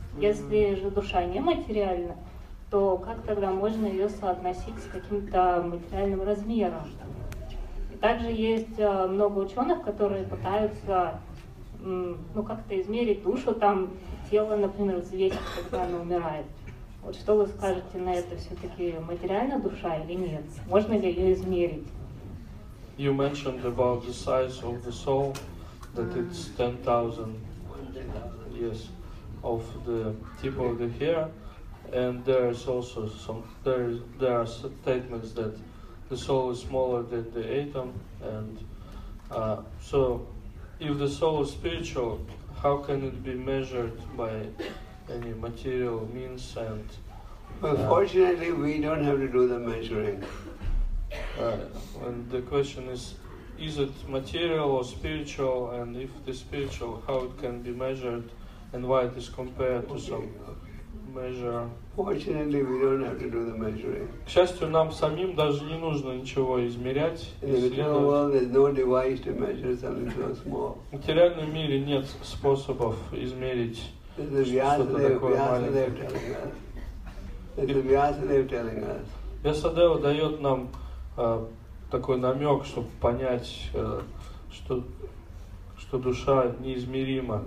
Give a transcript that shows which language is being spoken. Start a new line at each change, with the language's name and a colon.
Russian: Если же душа не материальна, то как тогда можно ее соотносить с каким-то материальным размером? И также есть много ученых, которые пытаются ну, как-то измерить душу, там тело, например, взвесить, когда оно умирает. Вот что вы скажете на это, все-таки материально душа или нет? Можно ли ее измерить?
English: You mentioned about the size of the soul, that it's 10,000 years of the tip of the hair. And there is also some there are statements that the soul is smaller than the atom, and so if the soul is spiritual, how can it be measured by any material means? And well, fortunately, we don't have to do the measuring. And the question is it material or spiritual? And if it is spiritual, how it can be measured, and why it is compared to some measure? Fortunately, we don't have to do the measuring.
Russian: К счастью, нам самим даже не нужно ничего измерять.
English: In the material world, there's no device to measure something so small.
Russian: В материальном мире нет способов измерить Вьясадева дает нам такой намек, чтобы понять, что душа неизмерима.